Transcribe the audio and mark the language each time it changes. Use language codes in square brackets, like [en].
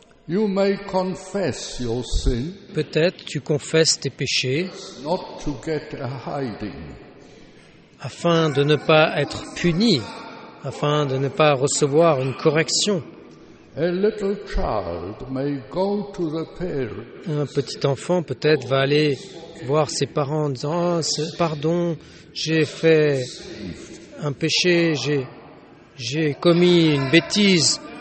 [en] You may confess your sin, [fr] peut-être tu confesses tes péchés [en] not to get a hiding. [fr] Afin de ne pas être puni, afin de ne pas recevoir une correction. [en] A little child may go to the parents. [fr] Un petit enfant peut-être va aller voir ses parents en disant oh, « Pardon, j'ai fait un péché, j'ai commis une bêtise ».